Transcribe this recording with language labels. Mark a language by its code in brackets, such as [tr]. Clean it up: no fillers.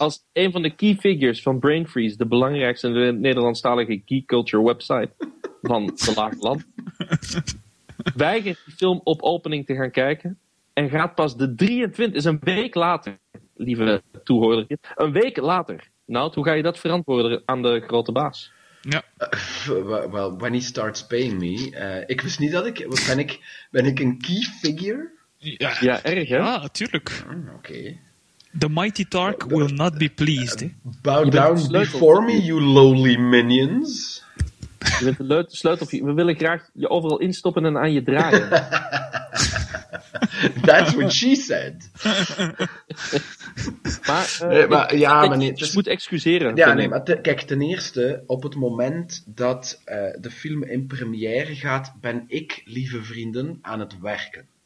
[nl] Als een van de key figures van Brain Freeze, de belangrijkste Nederlandstalige geek culture website van de Laagland, weigert die film op opening te gaan kijken en gaat pas de 23, is een week later, lieve toehoorder, een week later. Noot, hoe ga je dat verantwoorden aan de grote baas? Ja. [en] Well, when he starts paying me. [nl] Ik wist niet dat ik... Ben ik een key figure? Ja, erg, hè? Ja, tuurlijk. Okay. [en] The mighty Tark will not be pleased. Bow down before me, you lowly minions. [nl] Je bent de sleutel. We willen graag je overal instoppen en aan je draaien. [en] That's what she said. [nl] Je moet excuseren. Ja, nee, maar kijk, ten eerste, op het moment dat de film in première gaat, ben ik, lieve vrienden, aan het werken.